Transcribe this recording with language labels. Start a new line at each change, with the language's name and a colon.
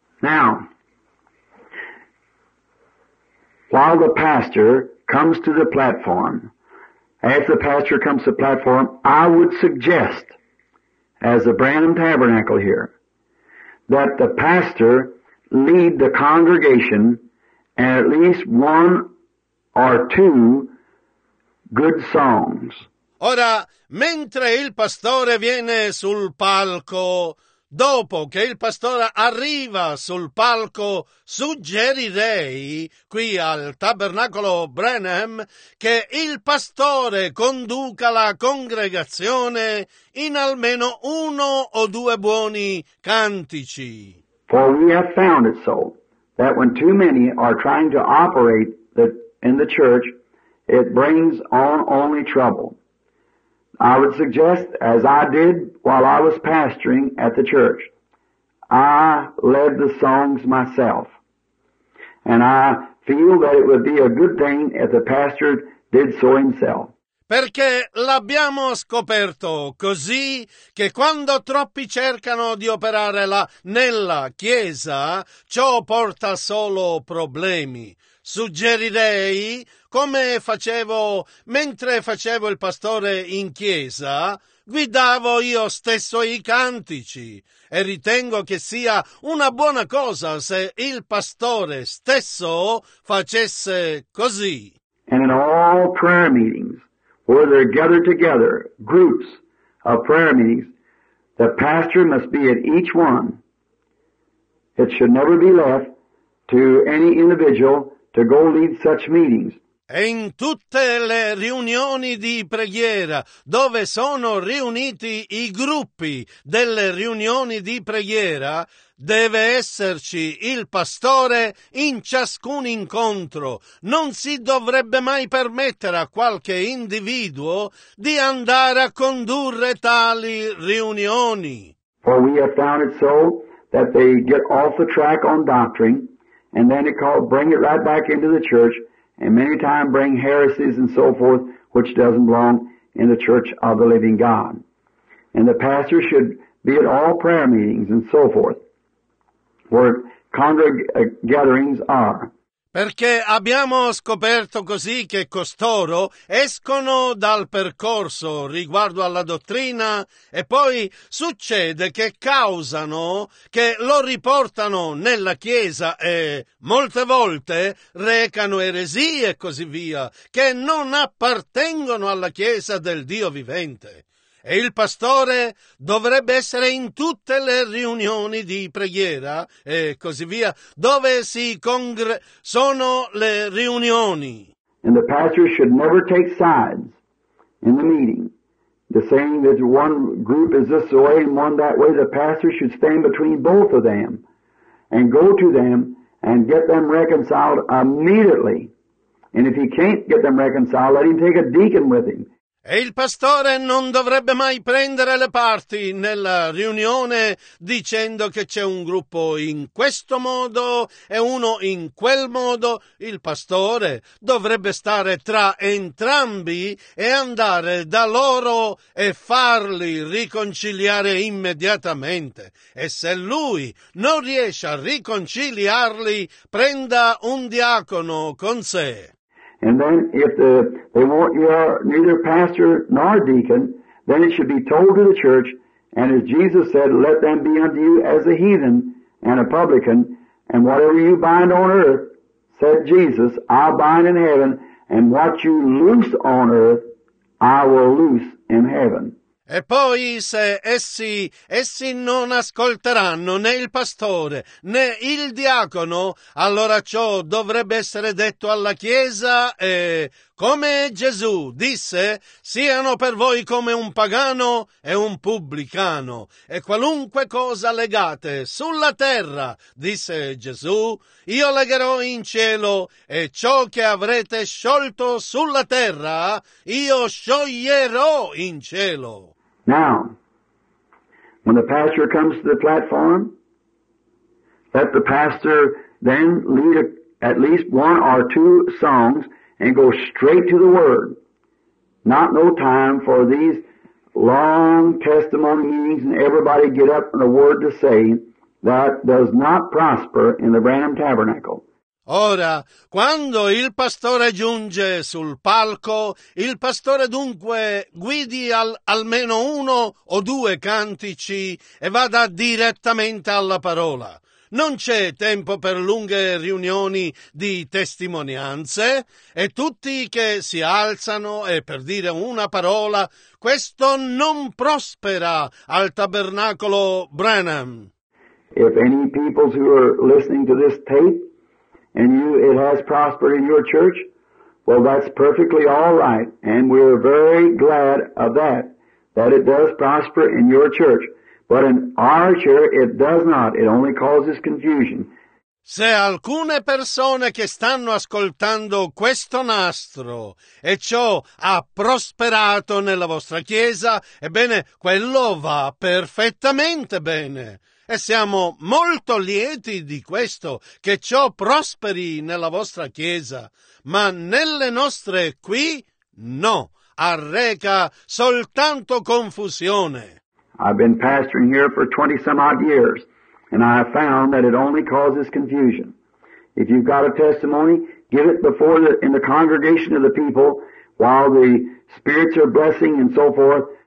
English: Now, while the pastor comes to the platform, as the pastor comes to the platform, I would suggest, as the Branham Tabernacle here, that the pastor lead the congregation and at least one or two good songs.
Italian: Ora, mentre il pastore viene sul palco, dopo che il pastore arriva sul palco, suggerirei qui al Tabernacolo Branham che il pastore conduca la congregazione in almeno uno o due buoni cantici.
English: For we have found it so that when too many are trying to operate in the church, it brings on only trouble. I would suggest, as I did while I was pastoring at the church, I led the songs myself. And I feel that it would be a good thing if the pastor did so himself.
Italian: Perché l'abbiamo scoperto così che quando troppi cercano di operare nella chiesa, ciò porta solo problemi. Suggerirei, come facevo mentre facevo il pastore in chiesa, guidavo io stesso i cantici e ritengo che sia una buona cosa se il pastore stesso facesse così.
English: And in all prayer meetings, where they're gathered together, groups of prayer meetings, the pastor must be at each one. It should never be left to any individual to go lead such meetings.
Italian: E in tutte le riunioni di preghiera, dove sono riuniti i gruppi delle riunioni di preghiera, deve esserci il pastore in ciascun incontro. Non si dovrebbe mai permettere a qualche individuo di andare a condurre tali riunioni.
English: For we have found it so that they get off the track on doctrine, and then it called bring it right back into the church, and many times bring heresies and so forth, which doesn't belong in the church of the living God. And the pastor should be at all prayer meetings and so forth, where gatherings are.
Italian: Perché abbiamo scoperto così che costoro escono dal percorso riguardo alla dottrina e poi succede che causano, che lo riportano nella chiesa e molte volte recano eresie e così via, che non appartengono alla chiesa del Dio vivente. E il pastore dovrebbe essere in tutte le riunioni di preghiera e così via, dove sono le riunioni.
English: And the pastor should never take sides in the meeting. The saying that one group is this way and one that way, the pastor should stand between both of them and go to them and get them reconciled immediately. And if he can't get them reconciled, let him take a deacon with him.
Italian: E il pastore non dovrebbe mai prendere le parti nella riunione dicendo che c'è un gruppo in questo modo e uno in quel modo. Il pastore dovrebbe stare tra entrambi e andare da loro e farli riconciliare immediatamente. E se lui non riesce a riconciliarli, prenda un diacono con sé.
English: And then if they want neither pastor nor deacon, then it should be told to the church, and as Jesus said, let them be unto you as a heathen and a publican, and whatever you bind on earth, said Jesus, I bind in heaven, and what you loose on earth, I will loose in heaven.
Italian: E poi se essi non ascolteranno né il pastore né il diacono, allora ciò dovrebbe essere detto alla chiesa e come Gesù disse, siano per voi come un pagano e un pubblicano, e qualunque cosa legate sulla terra, disse Gesù, io legherò in cielo, e ciò che avrete sciolto sulla terra, io scioglierò in cielo.
English: Now, when the pastor comes to the platform, let the pastor then lead at least one or two songs and go straight to the Word. Not no time for these long testimony meetings and everybody get up and a word to say that does not prosper in the Branham Tabernacle.
Italian: Ora, quando il pastore giunge sul palco, il pastore dunque guidi almeno uno o due cantici e vada direttamente alla parola. Non c'è tempo per lunghe riunioni di testimonianze e tutti che si alzano e per dire una parola, questo non prospera al tabernacolo Branham.
English: If any people who are listening to this tape and you, it has prospered in your church, well, that's perfectly all right, and we're very glad of that, that it does prosper in your church. But in our church, it does not. It only causes confusion.
Italian: Se alcune persone che stanno ascoltando questo nastro e ciò ha prosperato nella vostra chiesa, ebbene, quello va perfettamente bene. E siamo molto lieti di questo, che ciò prosperi nella vostra chiesa, ma nelle nostre qui, no, arreca soltanto confusione.
English: I've been pastoring here for 20 some odd years, and I have found that it only causes confusion. If you've got a testimony, give it before in the congregation of the people, while the spirits are blessing and so forth.